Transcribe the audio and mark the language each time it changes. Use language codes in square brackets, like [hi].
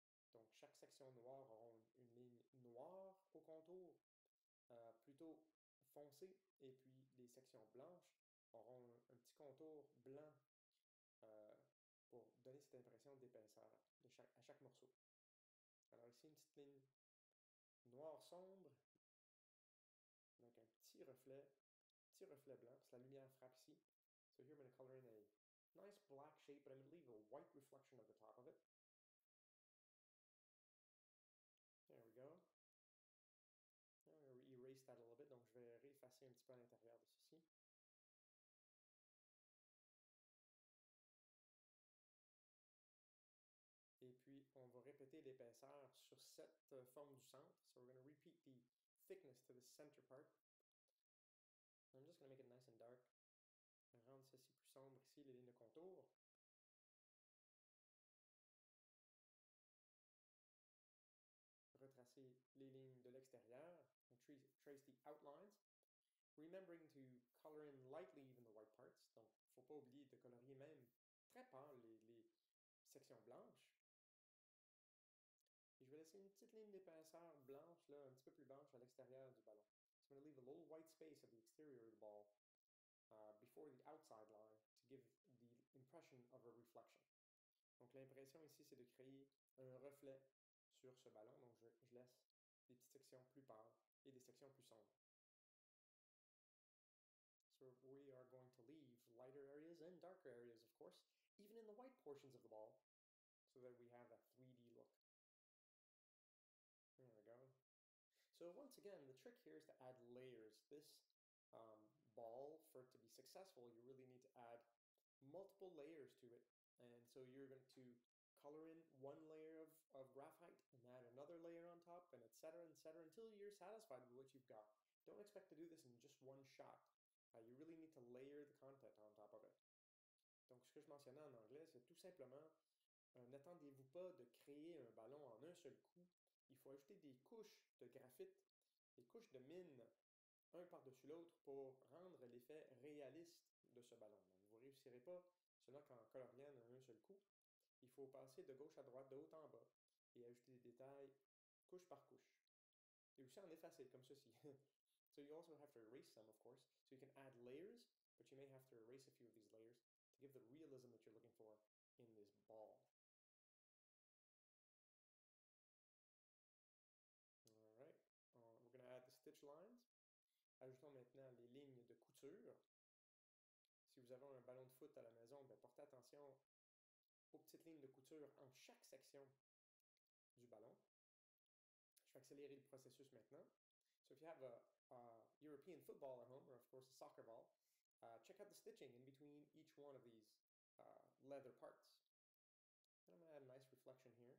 [fr] Donc chaque section noire aura une ligne noire au contour, plutôt foncée, et puis les sections blanches auront un petit contour blanc. Pour donner cette impression d'épaisseur à chaque morceau. Alors ici, une petite ligne noire sombre, avec un petit reflet blanc, parce que la lumière frappe ici. [en] So here I'm going to color in a nice black shape, but I'm going to leave a white reflection at the top of it. There we go. I'm going to erase that a little bit, [fr] donc je vais réeffacer un petit peu à l'intérieur de ceci. Et puis, on va répéter l'épaisseur sur cette forme du centre. [en] So we're going to repeat the thickness to the center part. I'm just going to make it nice and dark. [fr] Rendre ceci plus sombre ici, les lignes de contour. Retracer les lignes de l'extérieur. [en] Trace the outlines. Remembering to color in lightly even the white parts. [fr] Donc, il ne faut pas oublier de colorier même très pâle les sections blanches. Et je vais laisser une petite ligne d'épaisseur blanche, là, un petit peu plus blanche à l'extérieur du ballon. [en] So I'm going to leave a little white space of the exterior of the ball before the outside line to give the impression of a reflection. [fr] Donc l'impression ici, c'est de créer un reflet sur ce ballon. Donc je laisse des petites sections plus pâles et des sections plus sombres. [en] So we are going to leave lighter areas and darker areas, of course, even in the white portions of the ball, so that we have a 3D look. There we go. So once again, the trick here is to add layers. This ball, for it to be successful, you really need to add multiple layers to it. And so you're going to color in one layer of graphite and add another layer on top and et cetera, until you're satisfied with what you've got. Don't expect to do this in just one shot. You really need to layer the content on top of it. [fr] Donc ce que je mentionnais en anglais, c'est tout simplement, n'attendez-vous pas de créer un ballon en un seul coup. Il faut ajouter des couches de graphite, des couches de mine, un par-dessus l'autre pour rendre l'effet réaliste de ce ballon. Donc, vous ne réussirez pas cela qu'en coloriant en un seul coup. Il faut passer de gauche à droite, de haut en bas, et ajouter des détails couche par couche. Et aussi en effacer, comme ceci. [en] So you also have to erase some, of course. So you can add layers, but you may have to erase a few of these layers to give the realism that you're looking for in this ball. Alright, we're going to add the stitch lines. [fr] Ajoutons maintenant les lignes de couture. Si vous avez un ballon de foot à la maison, bien, portez attention aux petites lignes de couture en chaque section du ballon. Je vais accélérer le processus maintenant. [en] So if you have a European football at home, or of course a soccer ball, check out the stitching in between each one of these leather parts. And I'm going to add a nice reflection here.